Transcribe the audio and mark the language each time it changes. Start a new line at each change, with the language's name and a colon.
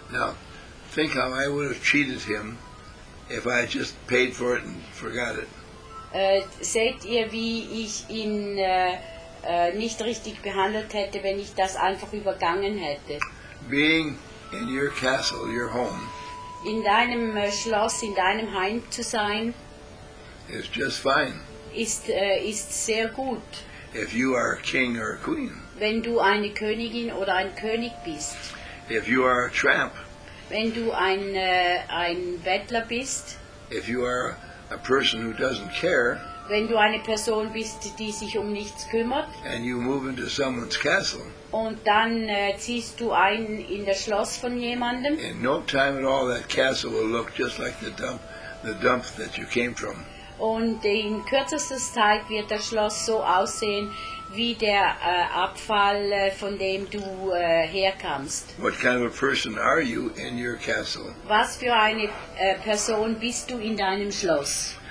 English: Now, think how I would have treated him if I had just paid for it and forgot it.
German: Seht ihr, wie ich ihn nicht richtig behandelt hätte, wenn ich das einfach übergangen hätte?
English: Being in your castle, your home,
German: in deinem Schloss, in deinem Heim zu sein,
English: is just fine.
German: Ist sehr gut.
English: If you are a king or a queen.
German: Wenn du eine Königin oder ein König bist.
English: If you are a tramp.
German: Wenn du ein Bettler bist.
English: If you are a person who doesn't care.
German: Wenn du eine Person bist, die sich um nichts kümmert.
English: And you move into someone's castle.
German: Und dann ziehst du ein in das Schloss von jemandem.
English: In no time at all that castle will look just like the dump that you came from.
German: Und in kürzester Zeit wird das Schloss so aussehen wie der Abfall, von dem du herkamst.
English: What kind of a person are you in your castle?
German: Was für eine Person bist du in deinem Schloss?